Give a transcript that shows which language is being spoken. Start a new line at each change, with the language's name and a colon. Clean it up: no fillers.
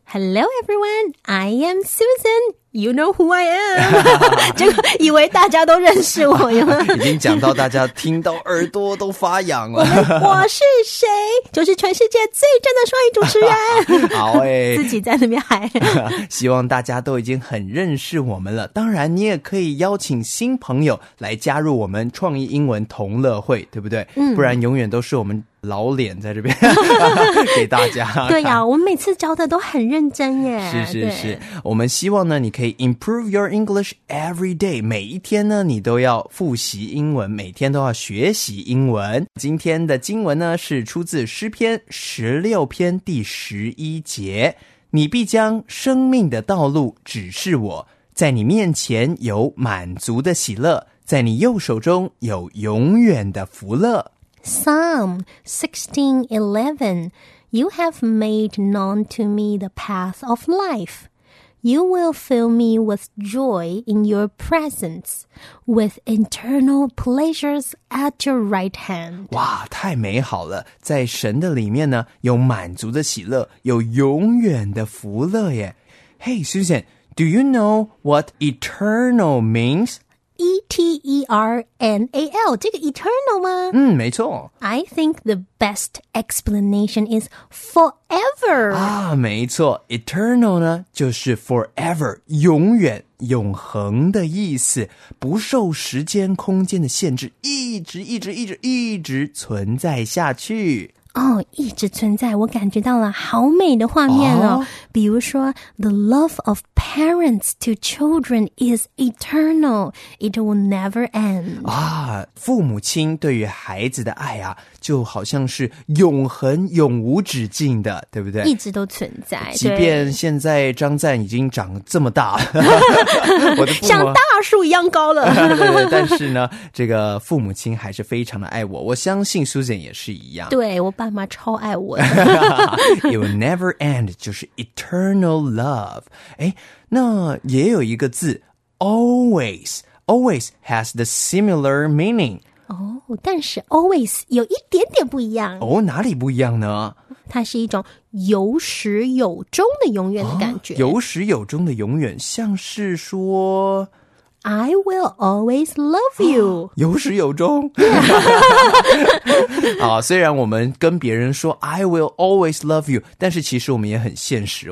English: Hello everyone, I am Susan, you know who I am.
Chinese: 结果以为大家都认识我了。已经讲到大家听到耳朵都发痒了。我是谁？就是全世界最正的双语主持人。好诶，自己在那边嗨。希望大家都已经很认识我们了，当然你也可以邀请新朋友来加入我们创意英文同乐会，对不对？不然永远都是我们老脸在这边给大家。对呀，我们每次教的都很认真耶。是是是，我们希望呢你可以
English: improve your English every day，
Chinese: 每一天呢你都要复习英文，每天都要学习英文。今天的经文呢是出自诗篇16篇第11节，你必将生命的道路指示我，在你面前有满足的喜乐，在你右手中有永远的福乐。
English: Psalm 16:11, You have made known to me the path of life. you will fill me with joy in your presence, with internal pleasures at your right hand.
Chinese: 哇，太美好了，在神的里面呢，有满足的喜乐，有永远的福乐耶。
English: Hey, Susan, do you know what eternal means?
Chinese: E-T-E-R-N-A-L, 这个 eternal 吗？嗯，没错。
English: I think the best explanation is forever.
Chinese: 啊，没错。Eternal 呢，就是 forever, 永远、永恒的意思，不受时间、空间的限制，一直、一直、一直、一直存在下去。哦，一直存在，我感觉到了好美的画面哦。比如说
English: ,the love of parents to children is eternal. It will never end.
Chinese: 啊，父母亲对于孩子的爱啊，就好像是永恒永无止境的，对不对？一直都存在。即便现在张赞已经长这么大了。我的父母像大树一样高了。对，但是呢，这个父母亲还是非常的爱我。我相信 Susan 也是一样。对，我爸妈超爱我的。
English: It will never end,
Chinese: 就是
English: eternal love.
Chinese: 诶，那也有一个字
English: ,always, always has the similar meaning.
Chinese: 哦，但是 always 有一点点不一样。哦，哪里不一样呢？它是一种有始有终的永远的感觉。有始有终的永远，像是说
English: I will always love you。
Chinese: 有始有终。啊，虽然我们跟别人说
English: I will always love you，
Chinese: 但是其实我们也很现实。